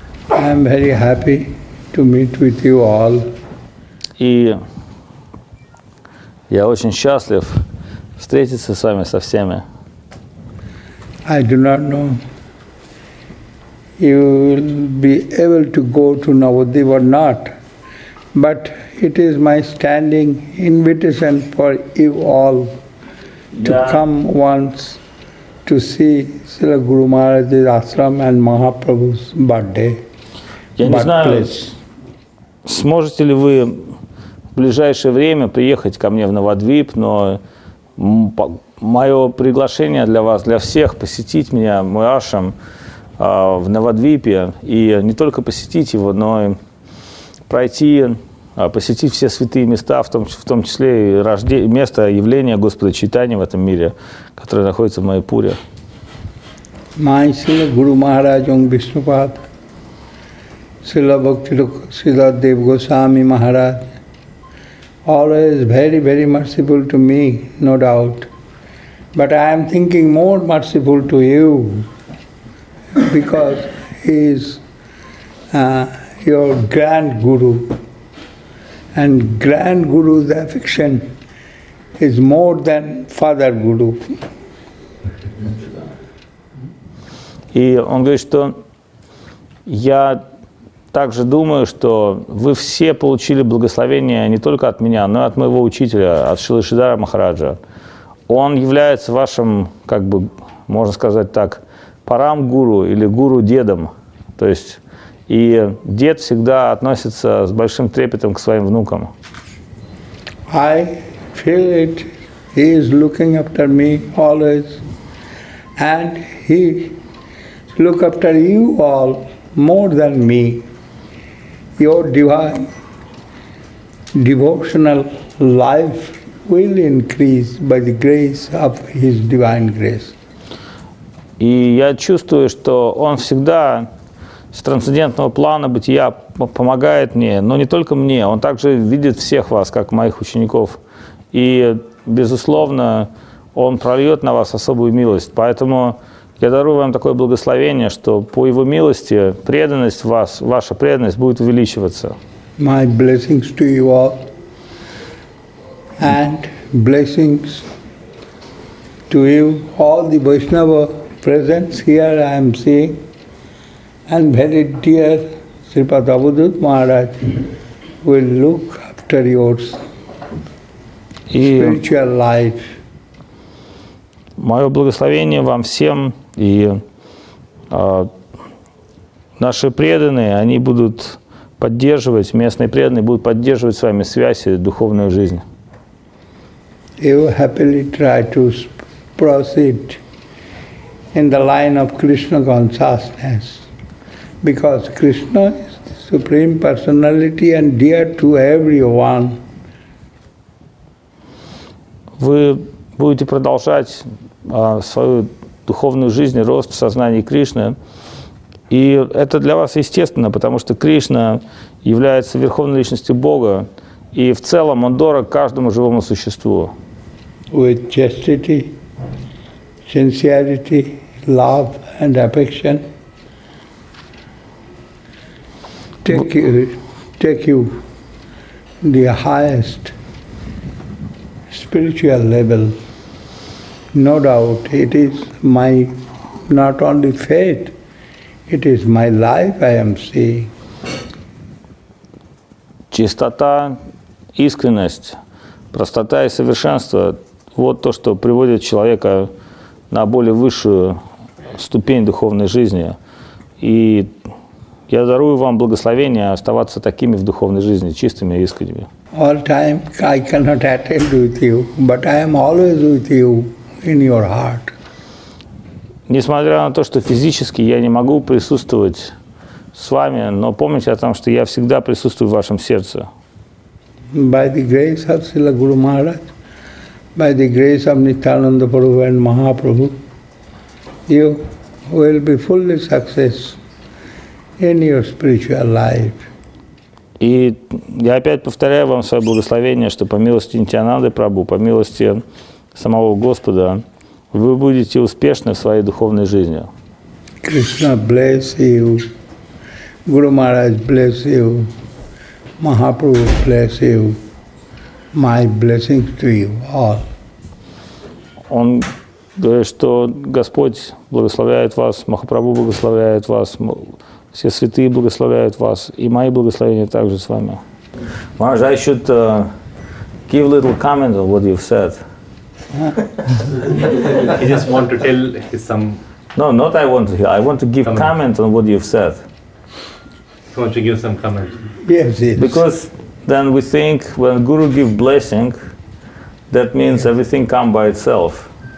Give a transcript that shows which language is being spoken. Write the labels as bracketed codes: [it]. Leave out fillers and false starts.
[en] am very happy to meet with you all. [ru] И я очень счастлив встретиться с вами со всеми. [en] I do not know you will be able to go to Navadvip or not, but it is my standing invitation for you all to come once to see Srila Guru Maharaj's ashram and Mahaprabhu's birthday. [ru] Я не знаю, сможете ли вы в ближайшее время приехать ко мне в Навадвип, но мое приглашение для вас, для всех, посетить меня, мой ашрам, в Навадвипе, и не только посетить его, но и пройти, посетить все святые места, в том числе и место явления Господа Чайтаньи в этом мире, которое находится в Майяпуре. [en] Майсила Гуру Махараджан Вишнупад, Сила Бхактилока Сиддхартха Дева Госвами Махарадж, always very, very merciful to me, no doubt. But I am thinking more merciful to you, because he is your grand guru. And grand guru's affection is more than father guru. [ru] И он говорит, что я также думаю, что вы все получили благословение не только от меня, но и от моего учителя, от Шрилы Шридхара Махараджа. Он является вашим, как бы, можно сказать так, парам-гуру или гуру-дедом. То есть, и дед всегда относится с большим трепетом к своим внукам. [en] I feel it. He is looking after me always. And he look after you all more than me. Your divine devotional life will increase by the grace of His divine grace. [ru] И я чувствую, что Он всегда с трансцендентного плана бытия помогает мне, но не только мне, Он также видит всех вас, как моих учеников. И, безусловно, Он прольет на вас особую милость. Поэтому я дарую вам такое благословение, что по Его милости преданность в вас, ваша преданность будет увеличиваться. [en] My blessings to you all. And blessings to you, all the Vaishnava presence here I am seeing. And very dear Sripad Avadhut Maharaj will look after your spiritual life. [ru] Мое благословение вам всем, и наши преданные, они будут поддерживать, местные преданные будут поддерживать с вами связь и духовную жизнь. [en] You happily try to proceed in the line of Krishna consciousness, because Krishna is the Supreme Personality and dear to everyone. [ru] Вы будете продолжать свою духовную жизнь, рост в сознании Кришны, и это для вас естественно, потому что Кришна является Верховной Личностью Бога, и в целом Он дорог каждому живому существу. [en] With chastity, sincerity, love and affection, take you the highest spiritual level. No doubt, it is my not only faith, it is my life I am seeing. [ru] Чистота, искренность, простота и совершенство. Вот то, что приводит человека на более высшую ступень духовной жизни. И я дарую вам благословение оставаться такими в духовной жизни, чистыми и искренними. [en] All time I cannot attend with you, but I am always with you in your heart. [ru] Несмотря на то, что физически я не могу присутствовать с вами, но помните о том, что я всегда присутствую в вашем сердце. [en] By the grace of Srila Guru Maharaj, by the grace of Nityananda Prabhu and Mahaprabhu, you will be fully successful in your spiritual life. [ru] И я опять повторяю вам свое благословение, что по милости Нитянанды Прабху, по милости самого Господа, вы будете успешны в своей духовной жизни. [en] Krishna bless you Guru Maharaj bless you, Mahaprabhu bless you, my blessings to you all. [ru] Он говорит, что Господь благословляет вас, Махапрабху благословляет вас, все святые благословляют вас, и мои благословения также с вами. [en] Maharaj, I should give little comment on what you've said. He just want to tell his some. No, not I want to hear. I want to give comment on what you've said. He wants to give some comment. Yes, yes. Because then we think when Guru give blessing, that means everything come by itself.